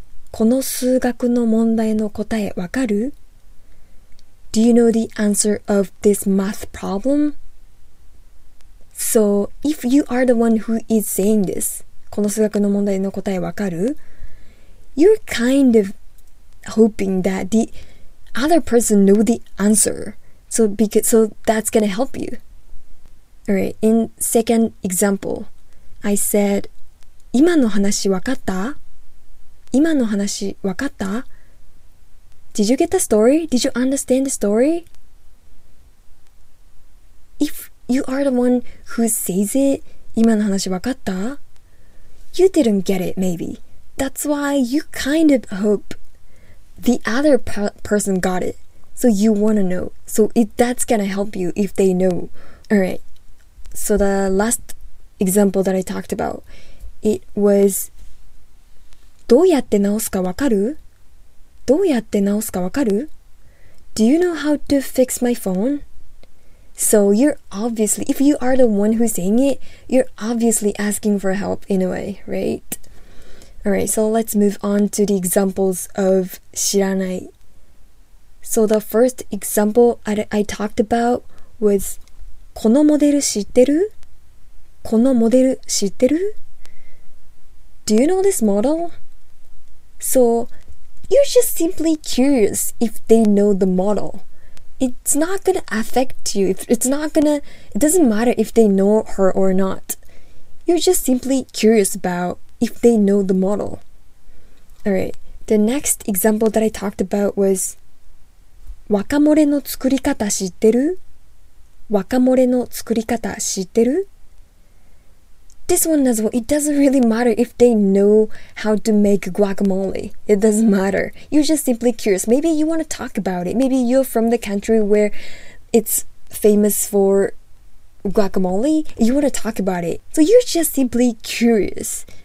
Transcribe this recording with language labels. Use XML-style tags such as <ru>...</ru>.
<ja>この数学の問題の答えわかる?</ja> <en>Do you know the answer of this math problem? So, if you are the one who is saying this,</en> <ja>この数学の問題の答えわかる?</ja> <en>You're kind of hoping that the... other person know the answer, so that's gonna help you. Alright, in second example, I said,</en> <ja>今の話わかった? 今の話わかった?</ja> <en>Did you get the story? Did you understand the story? If you are the one who says it,</en> <ja>今の話わかった?</ja> <en>You didn't get it, maybe. That's why you kind of hope the other person got it. So you want to know. So that's going to help you if they know. All right. So the last example that I talked about, it was,</en> <ja>どうやって直すかわかる? どうやって直すかわかる?</ja> <en>Do you know how to fix my phone? So you're obviously, if you are the one who's saying it, you're obviously asking for help in a way, right? Alright, so let's move on to the examples of 知らない。 So the first example I talked about was,</en> <ja>このモデル知ってる? このモデル知ってる?</ja> <en>Do you know this model? So, you're just simply curious if they know the model. It's not gonna affect you. It doesn't matter if they know her or not. You're just simply curious about if they know the model. Alright, the next example that I talked about was,</en> <ja>若漏れの作り方知ってる? 若漏れの作り方知ってる?</ja> <en>This one as well, it doesn't really matter if they know how to make guacamole. It doesn't matter. You're just simply curious. Maybe you want to talk about it. Maybe you're from the country where it's famous for guacamole. You want to talk about it. So you're just simply curious.</en>